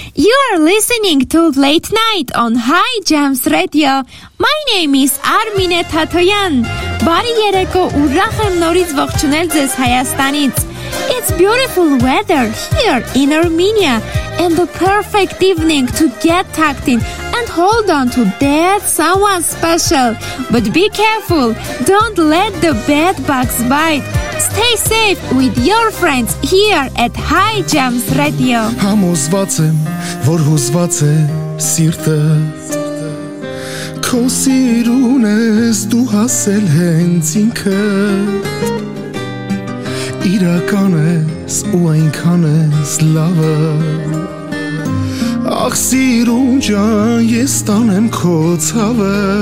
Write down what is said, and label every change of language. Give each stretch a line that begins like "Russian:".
English: You are listening to Late Night on High Jams Radio. My name is Armine Tatoyan.
Armenian: Բարի երեկո, ուրախ եմ նորից ողջունել ձեզ Հայաստանից.
English: It's beautiful weather here in Armenia and the perfect evening to get tucked in and hold on to that someone special. But be careful, don't let the bed bugs bite. Stay safe with your friends here at High Jams Radio.
Armenian: Համոզված եմ, որ հուզված է սիրտը, քո սիրուն ես դու հասել հենց ինքը. Իրական ես ու այնքան ես լավը, ախ սիրուն ջան, ես տանեմ քո ցավը.